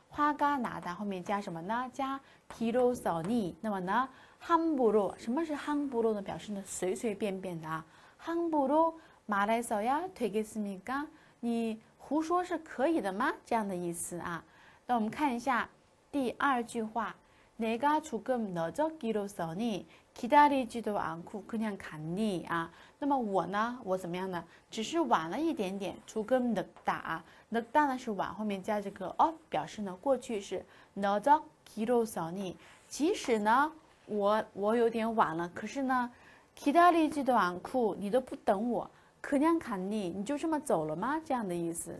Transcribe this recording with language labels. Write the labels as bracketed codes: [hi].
[zh] 화가나다后面加什么呢？加기로서니，那么呢？ 함부로，什么是함부로呢？表示呢随随便便的啊。 [ko] 함부로말해서야되겠습니까？ [zh] 你胡说是可以的吗？这样的意思啊。那我们看一下第二句话， [ko] 내가 조금 늦었기로서니 기다리지도 않고 그냥 갔니? [zh] 아, 那么我呢？ 我怎么样呢？只是晚了一点点，조금늦다啊。늦다呢是晚，后面加这个어，表示呢过去式。 늦었기로서니，即使呢我有点晚了，可是呢 [ko] 기다리지도않고 [zh] 你都不等我， [ko] 그냥갔니？ [zh] 你就这么走了吗？这样的意思。